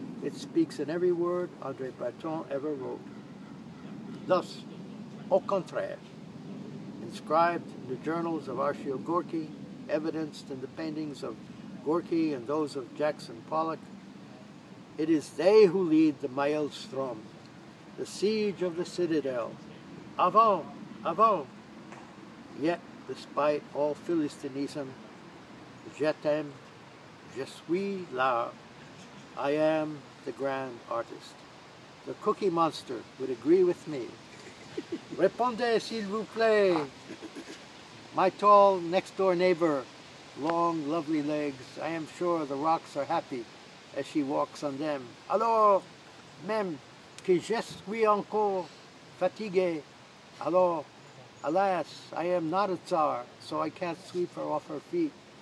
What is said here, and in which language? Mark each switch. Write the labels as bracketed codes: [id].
[en] It speaks in every word André Breton ever wrote. Thus, [fr] au contraire, [en] inscribed in the journals of Arshio Gorky, evidenced in the paintings of Gorky and those of Jackson Pollock, it is they who lead the Maelstrom, the siege of the citadel. [fr] Avant, avant! [en] Yet, despite all Philistinism, [fr] je t'aime, je suis là, [en] I am the grand artist. The cookie monster would agree with me. [fr] Répondez, s'il vous plaît. [en] My tall next door neighbor, long lovely legs, I am sure the rocks are happy as she walks on them. [fr] Alors, même que je suis encore fatigué, alors, [en] alas, I am not a tsar, so I can't sweep her off her feet.